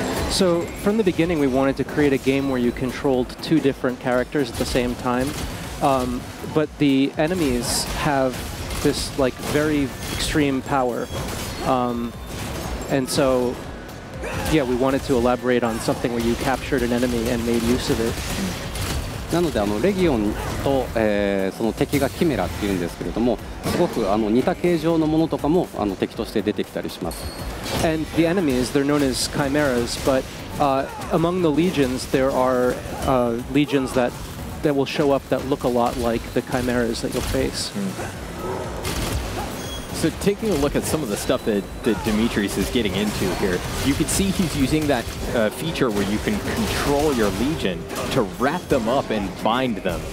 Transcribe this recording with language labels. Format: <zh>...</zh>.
<en>So from the beginning we wanted to create a game where you controlled two different characters at the same time. But the enemies have this like very extreme power, and so yeah, we wanted to elaborate on something where you captured an enemy and made use of it.</en> <ja>なのであのレギオンとそのその敵がキメラって言うんですけれども、すごくあの似た形状のものとかもあの敵として出てきたりします。And</ja> <en>the enemies, they're known as chimeras, but among the legions there are legions that will show up that look a lot like the chimeras that you'll face. Mm. So taking a look at some of the stuff that Demetrius is getting into here, you can see he's using that feature where you can control your legion to wrap them up and bind them.</en>